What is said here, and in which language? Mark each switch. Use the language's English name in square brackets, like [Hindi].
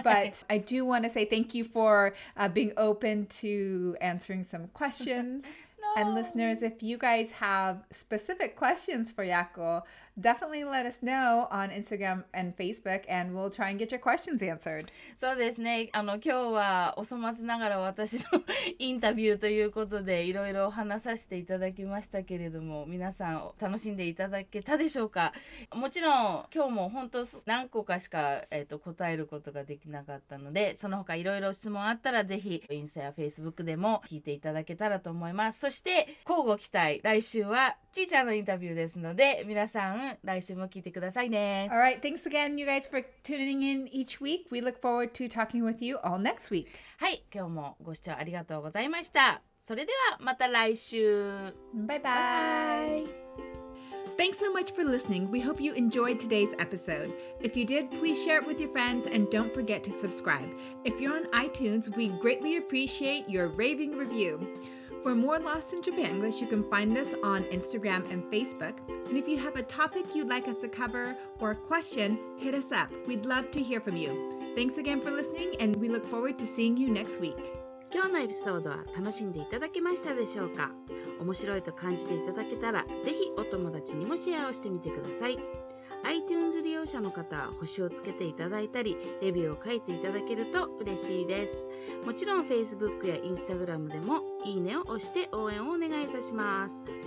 [English] But I do want to say thank you for being open to answering some questions. No And listeners, if you guys have specific questions for Yako, definitely let us know on Instagram and Facebook, and we'll try and get your questions answered. [Japanese] そうですね。あの、今日はお粗末ながら私のインタビューということで、いろいろ話させていただきましたけれども、皆さん楽しんでいただけたでしょうか。もちろん、今日も本当何個かしか、答えることができなかったので、その他いろいろ質問あったら、ぜひインスタや Facebook でも聞いていただけたらと思います。そして、乞うご期待、来週はちーちゃんのインタビューですので、皆さん、来週も聞いてくださいね。 [English] All right, thanks again, you guys, for tuning in each week. We look forward to talking with you all next week. [Japanese] はい、今日もご視聴ありがとうございました。それでは、また来週。バイバイ。 [English] Thanks so much for listening. We hope you enjoyed today's episode. If you did, please share it with your friends and don't forget to subscribe. If you're on iTunes, we greatly appreciate your raving review. For more Lost in Japanglish, you can find us on Instagram and Facebook. And if you have a topic you'd like us to cover or a question, hit us up. We'd love to hear from you. Thanks again for listening, and we look forward to seeing you next week. [Japanese] 今日のエピソードは楽しんでいただけましたでしょうか？面白いと感じていただけたら、ぜひお友達にもシェアをしてみてください。 iTunes 利用者の方は星をつけていただいたりレビューを書いていただけると嬉しいです。もちろん Facebook や Instagram でもいいねを押して応援をお願いいたします。